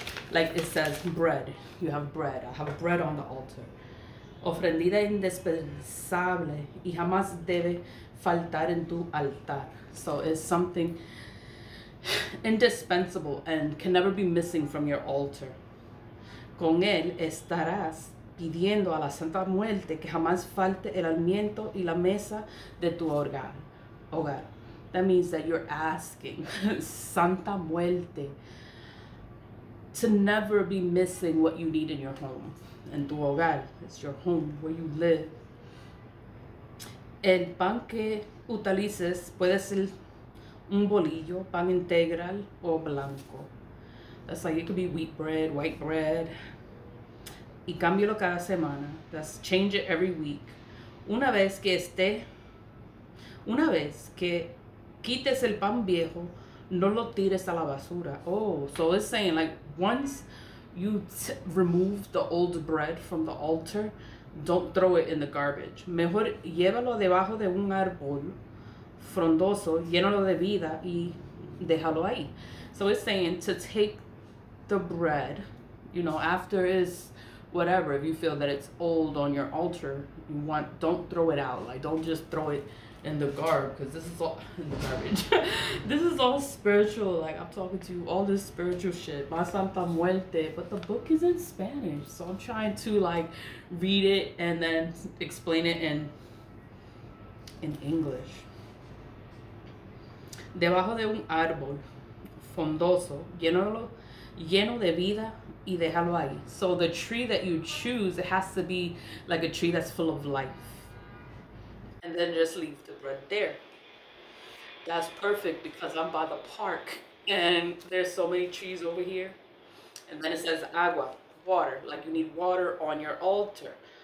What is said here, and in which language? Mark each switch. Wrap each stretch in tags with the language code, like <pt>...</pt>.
<en>Like, it says bread. You have bread. I have bread on the altar.</en> <es>Ofrendida indispensable y jamás debe faltar en tu altar.</es> <en>So it's something indispensable and can never be missing from your altar.</en> <es>Con él estarás pidiendo a la Santa Muerte que jamás falte el alimento y la mesa de tu hogar.</es> <en>That means that you're asking Santa Muerte to never be missing what you need in your home.</en> <es>En tu hogar,</es> <en>it's your home, where you live.</en> <es>El pan que utilices puede ser un bolillo, pan integral o blanco.</es> <en>That's like, it could be wheat bread, white bread.</en> <es>Y cámbialo cada semana.</es> <en>That's change it every week.</en> <es>Una vez que quites el pan viejo, no lo tires a la basura.</es> <en>Oh, so it's saying, like, once you remove the old bread from the altar, don't throw it in the garbage.</en> <es>Mejor llévalo debajo de un árbol frondoso, llénalo de vida y déjalo ahí.</es> <en>So it's saying to take the bread, you know, after it's whatever, if you feel that it's old on your altar, you want, don't throw it out. Like, don't just throw it in the garb, because this is all in the garbage. This is all spiritual. Like, I'm talking to you, all this spiritual shit. My Santa Muerte, but the book is in Spanish, so I'm trying to, like, read it and then explain it in English.</en> <es>Debajo de un árbol frondoso, lleno de vida y déjalo ahí.</es> <en>So the tree that you choose, it has to be like a tree that's full of life. And then just leave the bread there. That's perfect because I'm by the park and there's so many trees over here. And then it says agua, water, like you need water on your altar.</en>